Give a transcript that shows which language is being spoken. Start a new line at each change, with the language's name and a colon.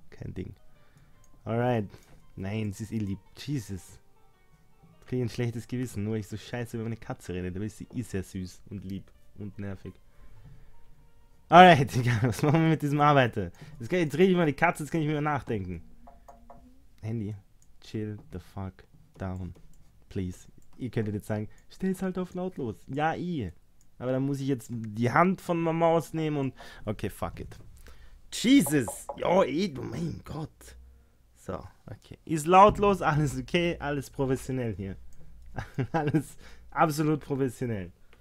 German: Kein Ding. Alright. Nein, sie ist eh lieb. Jesus. Jetzt krieg ich ein schlechtes Gewissen, nur weil ich so scheiße über meine Katze rede. Dabei ist sie eh sehr süß und lieb und nervig. Alright, egal. Was machen wir mit diesem Arbeiter? Jetzt rede ich mal die Katze, jetzt kann ich mir nachdenken.
English: Handy, chill the fuck down, please.
German: Ihr könntet jetzt sagen, stell's halt auf lautlos. Ja, ich. Aber dann muss ich jetzt die Hand von Mama ausnehmen und. Okay,
English: fuck it.
German: Jesus! Jo, ich, mein Gott! So, okay. Ist lautlos, alles okay, alles professionell hier. Alles absolut professionell.